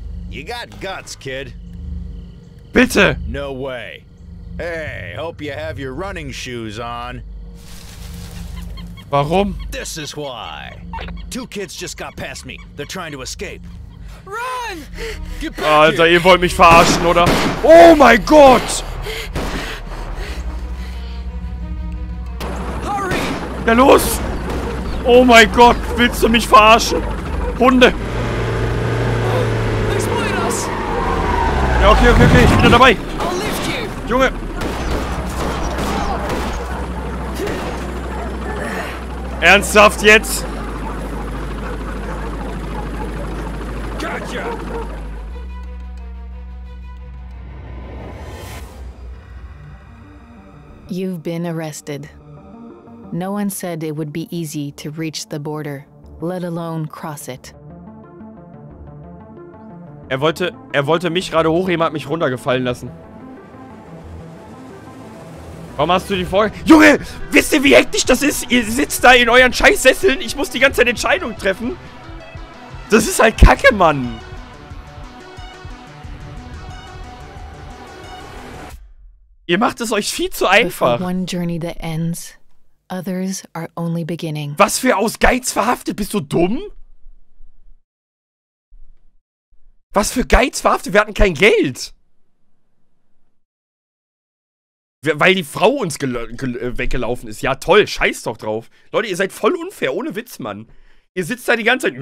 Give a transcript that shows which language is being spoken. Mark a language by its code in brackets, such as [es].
[en] You got guts, kid. [de] Bitte. [en] No way. Hey, hope you have your running shoes on. [de] Warum? [en] This is why. Two kids just got past me. They're trying to escape. Run! Get back here. [de] Alter, ihr wollt mich verarschen, oder? Oh mein Gott! [en] Hurry! [de] Ja, los! Oh mein Gott, willst du mich verarschen? Hunde! [en] They spotted us. [de] Ja, okay, okay, okay, ich bin da dabei. [en] I'll lift you. [de] Junge! Ernsthaft jetzt? [en] Gotcha! You've been arrested. No one said it would be easy to reach the border, let alone cross it. [de] Er wollte mich gerade hochheben, hat mich runtergefallen lassen. Warum hast du die Folge? Junge, wisst ihr, wie hektisch das ist? Ihr sitzt da in euren Scheißsesseln. Ich muss die ganze Zeit Entscheidung treffen. Das ist halt Kacke, Mann. Ihr macht es euch viel zu einfach. [en] One journey that ends, others are only beginning. [de] Was für aus Geiz verhaftet? Bist du dumm? Was für Geiz verhaftet? Wir hatten kein Geld. Weil die Frau uns weggelaufen ist. Ja, toll. Scheiß doch drauf. Leute, ihr seid voll unfair. Ohne Witz, Mann. Ihr sitzt da die ganze Zeit.